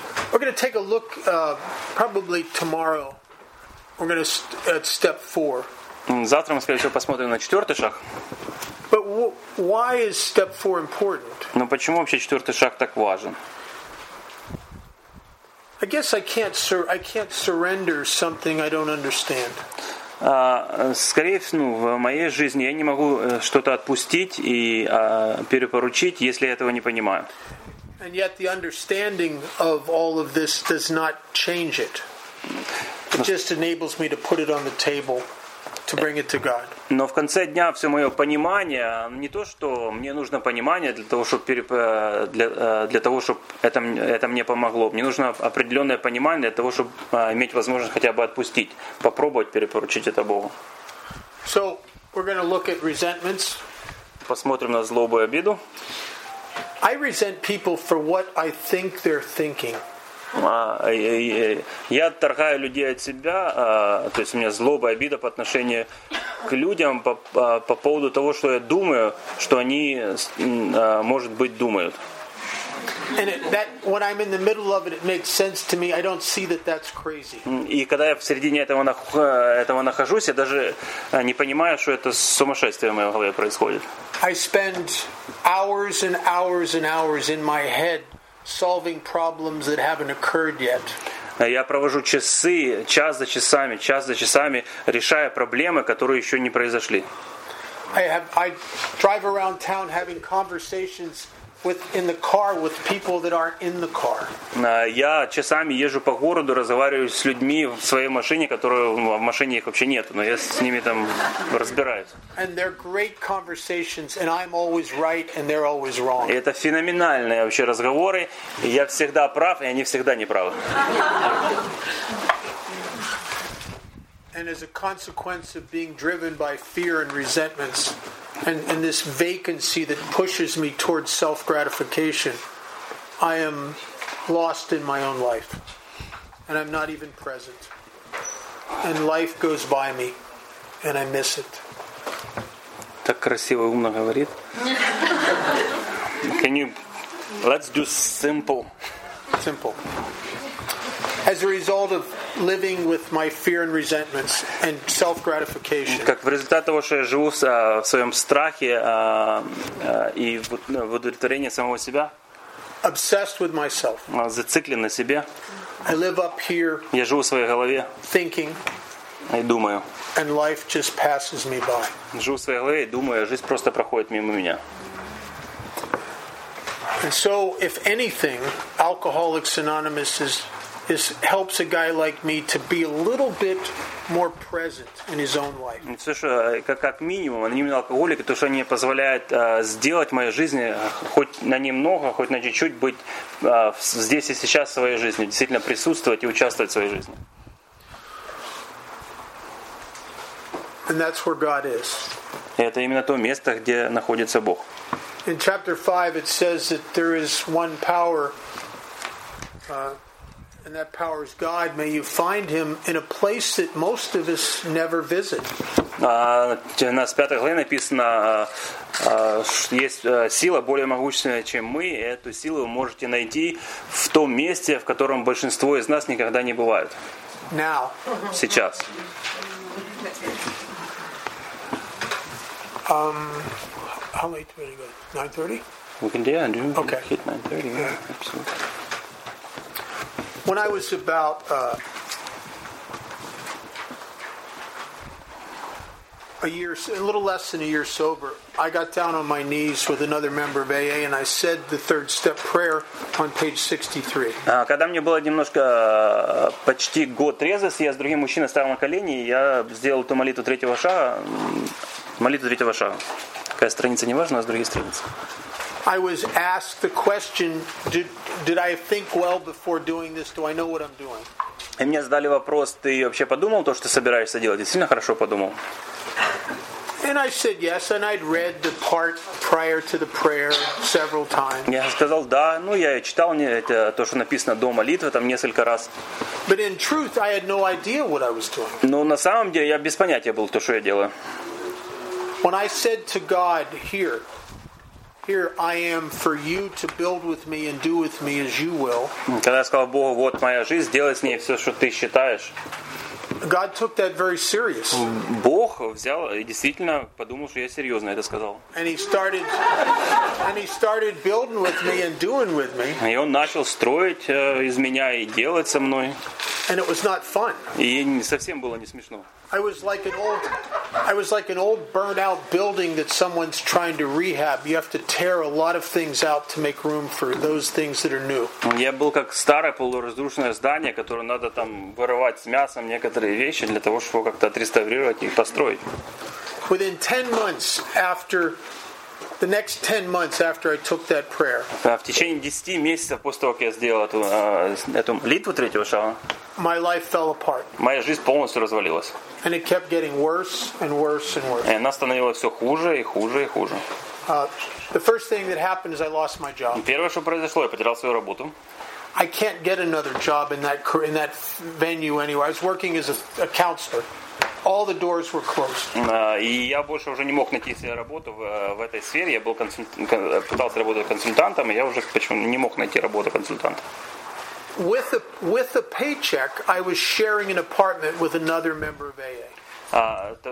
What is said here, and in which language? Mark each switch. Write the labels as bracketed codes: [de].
[en] We're going to take a look probably tomorrow. We're going to at step four. [ru] Завтра мы, скорее всего, посмотрим на четвертый шаг. [en] But why is step four important? [ru] Но почему вообще четвертый шаг так важен? [en] I guess I can't surrender something I don't understand. [ru] Скорее всего, в моей жизни я не могу что-то отпустить и перепоручить, если я этого не понимаю. [en] And yet the understanding of all of this does not change it. It just enables me to put it on the table, to bring it to God. [ru] Но в конце дня все мое понимание, не то, что мне нужно понимание для того, чтобы это мне помогло. Мне нужно определенное понимание для того, чтобы иметь возможность хотя бы отпустить, попробовать перепоручить это Богу. [en] So, we're going to look at resentments. [ru] Посмотрим на злобу и обиду. [en] I resent people for what I think they're thinking. [ru] Я отторгаю людей от себя, то есть у меня злоба и обида по отношению к людям по поводу того, что я думаю, что они, может быть, думают. И когда я в середине этого нахожусь, я даже не понимаю, что это сумасшествие в моей голове происходит. [en] I spend hours and hours and hours in my head solving problems that haven't occurred yet. [ru] Я провожу часы, час за часами, решая проблемы, которые еще не произошли. [en] I drive around town having conversations in the car with people that aren't in the car. [ru] Я часами езжу по городу, разговариваю с людьми в своей машине, которую в машине их вообще нет, но я с ними там разбираюсь. [en] And they're great conversations, and I'm always right, and they're always wrong. [ru] И это феноменальные вообще разговоры, я всегда прав, и они всегда не правы. [en] And as a consequence of being driven by fear and resentments. And this vacancy that pushes me towards self-gratification, I am lost in my own life, and I'm not even present. And life goes by me, and I miss it. [ru] Так красиво и умно говорит. [en] Can you? Let's do simple. Simple. As a result of living with my fear and resentments and self-gratification. [ru] Как в результате того, что я живу в своем страхе и в удовлетворении самого себя. [en] Obsessed with myself. [ru] Зациклен на себе. [en] I live up here. [ru] Я живу в своей голове. [en] Thinking. [ru] И думаю. [en] And life just passes me by. [ru] Живу в своей голове и думаю, жизнь просто проходит мимо меня. [en] And so, if anything, Alcoholics Anonymous is helps a guy like me to be a little bit more present in his own life. [ru] Как минимум, анонимные алкоголики, то, что они позволяют сделать в моей жизни хоть на немного, хоть на чуть-чуть быть здесь и сейчас в своей жизни, действительно присутствовать и участвовать в своей жизни. [en] And that's where God is. [ru] И это именно то место, где находится Бог. [en] In chapter 5 it says that there is one power and that power is God. May you find him in a place that most of us never visit. [ru] У нас в 5 главе написано, что есть сила более могущественная, чем мы, и эту силу вы можете найти в том месте, в котором большинство из нас никогда не бывает. [en] Now. [ru] Сейчас. [en] How late will you go? 9:30? We can do it. Okay. Hit 9:30. Absolutely. When I was about 1 year sober, I got down on my knees with another member of AA and I said the third step prayer on page 63. [ru] Когда мне было немножко почти год трезвости, я с другим мужчиной стал на колени, и я сделал ту молитву третьего шага. Молитву третьего шага. Какая страница, не важно, а с другой страницы. [en] I was asked the question, did I think well before doing this? Do I know what I'm doing? [ru] И мне задали вопрос, ты вообще подумал то, что ты собираешься делать? Действительно хорошо подумал? [en] And I said yes, and I'd read the part prior to the prayer several times. [ru] Я сказал да, ну я читал мне это то, что написано до молитвы там несколько раз. [en] But in truth, I had no idea what I was doing. [ru] Но на самом деле я без понятия был то, что я делаю. [en] When I said to God, here I am for you to build with me and do with me as you will. [ru] Когда я сказал Богу, вот моя жизнь, сделай с ней все, что ты считаешь. [en] God took that very serious. [ru] Бог взял и действительно подумал, что я серьезно это сказал. [en] And he started building with me and doing with me. [ru] И он начал строить из меня и делать со мной. [en] And it was not fun. [ru] И совсем было не смешно. [en] I was like an old burnt out building that someone's trying to rehab. You have to tear a lot of things out to make room for those things that are new. [ru] Я был как старое полуразрушенное здание, которое надо там вырывать с мясом некоторые вещи для того, чтобы как-то отреставрировать и построить. [en] Within 10 months after the next 10 months after I took that prayer. [ru] В течение 10 месяцев после того, как я сделал эту молитву третьего шага. [en] My life fell apart. [ru] Моя жизнь полностью развалилась. [en] And it kept getting worse and worse and worse. [ru] И она становилась все хуже и хуже и хуже. [en] The first thing that happened is I lost my job. [ru] Первое, что произошло, я потерял свою работу. [en] I can't get another job in that venue anyway. I was working as a counselor. All the doors were closed. [ru] И я больше уже не мог найти себе работу в этой сфере. Я был пытался работать консультантом, и я уже почему не мог найти работу консультанта. [en] With a paycheck, I was sharing an apartment with another member of AA.